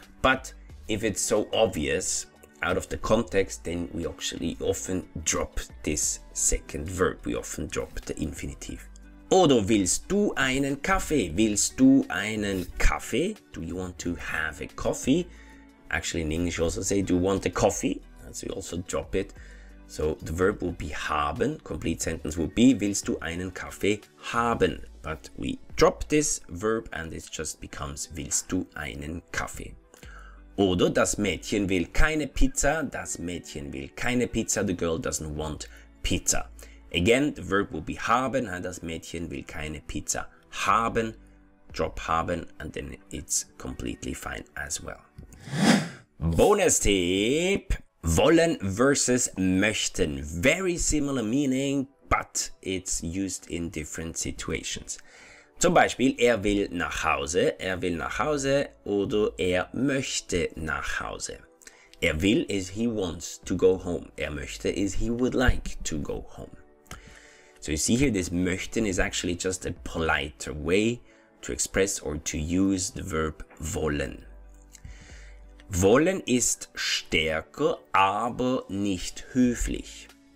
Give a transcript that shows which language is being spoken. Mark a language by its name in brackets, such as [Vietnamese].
[English] But if it's so obvious out of the context, then we actually often drop this second verb. We often drop the infinitive. [German] Oder willst du einen Kaffee? Willst du einen Kaffee? [English] Do you want to have a coffee? Actually, in English, also say, do you want a coffee? And so you also drop it. So the verb will be haben. Complete sentence will be, [German] willst du einen Kaffee haben? [English] But we drop this verb and it just becomes, [German] willst du einen Kaffee? Oder das Mädchen will keine Pizza. Das Mädchen will keine Pizza. [English] The girl doesn't want pizza. Again, the verb will be haben. [German] Das Mädchen will keine Pizza haben. [English] Drop haben and then it's completely fine as well. [German] Bonus-Tipp! Wollen versus möchten. [English] Very similar meaning, but it's used in different situations. [German] Zum Beispiel, er will nach Hause oder er möchte nach Hause. Er will [English] is he wants to go home. [German] Er möchte [English] is he would like to go home. So you see here, this möchten is actually just a politer way to express or to use the verb wollen. [German] Wollen ist stärker, aber nicht höflich.